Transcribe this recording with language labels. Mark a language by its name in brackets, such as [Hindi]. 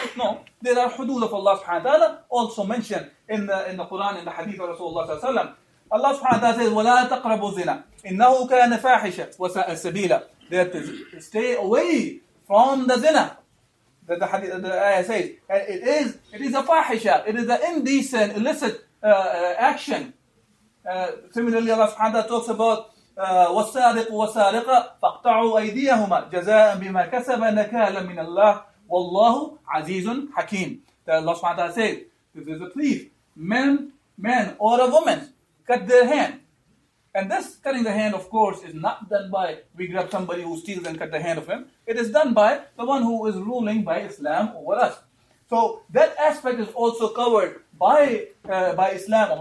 [English] No, there are hudud of Allah subhanahu wa ta'ala also mentioned in the Quran, in the hadith of Rasulullah sallallahu alayhi wa sallam. Allah subhanahu wa ta'ala says, [Arabic] وَلَا تَقْرَبُوا الزِّنَا إِنَّهُ كَانَ فَاحِشَ وَسَأَ السَّبِيلَ. [English] That is, stay away from the zina. The hadith, the ayah says, it is a fahisha, it is an indecent, illicit action. Similarly, Allah subhanahu wa ta'ala talks about [Arabic] والسارق والسارقة فاقطعوا أيديهما جزاء بما كسبا نكالا من الله والله عزيز حكيم. [English] That Allah subhanahu wa ta'ala says, this is a thief. Men or a woman, cut their hand. And this cutting the hand, of course, is not done by we grab somebody who steals and cut the hand of him. It is done by the one who is ruling by Islam over us. So that aspect is also covered by Islam.